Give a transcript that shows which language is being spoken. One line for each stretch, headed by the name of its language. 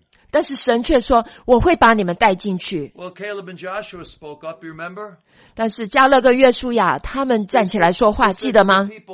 Chinese: 但是神却说我会把你们带进去。
English: Well, Caleb and Joshua spoke up, you remember?
Chinese: 但是加勒跟约书亚他们站起来说话，记得吗？